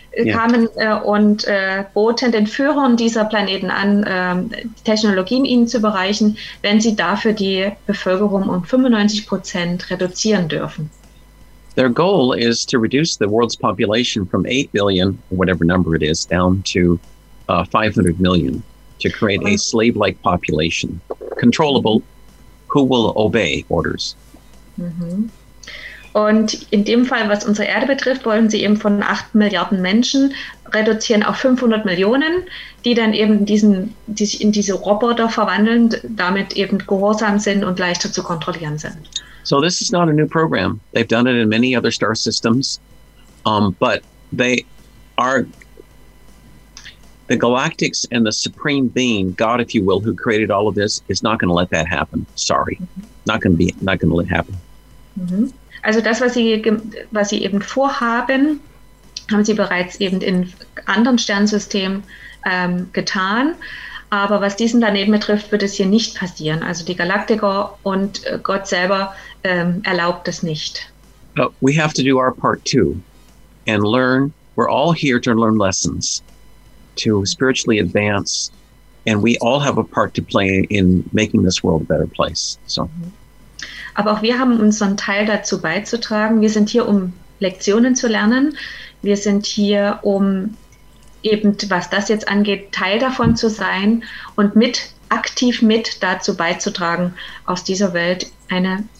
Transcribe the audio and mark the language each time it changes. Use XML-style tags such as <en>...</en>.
<de>Kamen und boten den Führern dieser Planeten an, Technologien ihnen zu überreichen, wenn sie dafür die Bevölkerung um 95% reduzieren dürfen.</de> <en>Their goal is to reduce the world's population from 8 billion, whatever number it is, down to 500 million, to create a slave-like population, controllable, who will obey orders. Mm-hmm.</en> <de>Und in dem Fall, was unsere Erde betrifft, wollen sie eben von 8 Milliarden Menschen reduzieren auf 500 Millionen, die dann eben die sich in diese Roboter verwandeln, damit eben gehorsam sind und leichter zu kontrollieren sind.</de> <en>So this is not a new program. They've done it in many other star systems. But they are the galactics and the supreme being, God, if you will, who created all of this, is not going to let that happen. Sorry. Mm-hmm. Not going to let it happen. Mm-hmm.</en> <de>Also das, was sie eben vorhaben, haben sie bereits eben in anderen Sternsystemen getan. Aber was diesen Planeten betrifft, wird es hier nicht passieren. Also die Galaktiker und Gott selber erlaubt es nicht.</de> <en>But we have to do our part too and learn. We're all here to learn lessons, to spiritually advance. And we all have a part to play in making this world a better place. So.</en> <de>Aber auch wir haben unseren Teil dazu beizutragen. Wir sind hier, um Lektionen zu lernen. Wir sind hier, um eben, was das jetzt angeht, Teil davon zu sein und mit aktiv mit dazu beizutragen, aus dieser Welt eine</de>